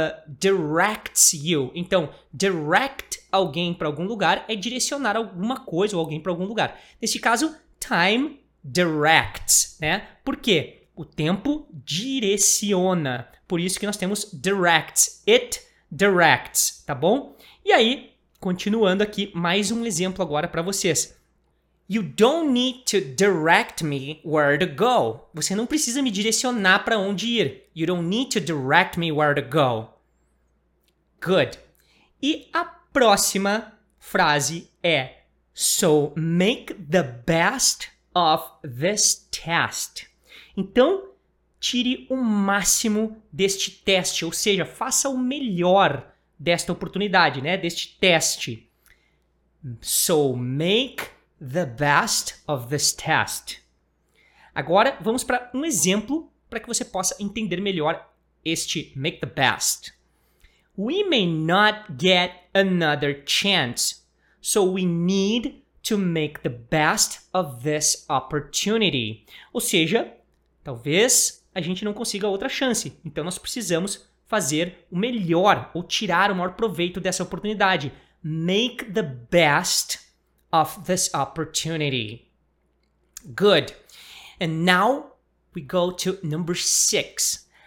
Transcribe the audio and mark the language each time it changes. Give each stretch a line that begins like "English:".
English: Directs you.
Portuguese: Então, direct alguém para algum lugar é direcionar alguma coisa ou alguém para algum lugar. Neste caso, time directs, né? Por quê? O tempo direciona. Por isso que nós temos directs.
English: It directs,
Portuguese: tá bom? E aí, continuando aqui, mais um exemplo agora para vocês.
English: You don't need to direct me where to go.
Portuguese: Você não precisa me direcionar para onde ir.
English: You don't need to direct me where to go. Good.
Portuguese: E a próxima frase é
English: so make the best of this test.
Portuguese: Então, tire o máximo deste teste, ou seja, faça o melhor desta oportunidade, né? Deste teste.
English: So make the best of this test.
Portuguese: Agora, vamos para um exemplo para que você possa entender melhor este
English: make the best. We may not get another chance, so we need to make the best of this opportunity.
Portuguese: Ou seja, talvez a gente não consiga outra chance. Então, nós precisamos fazer o melhor ou tirar o maior proveito dessa oportunidade.
English: Make the best of this opportunity. Good. And now we go to number 6.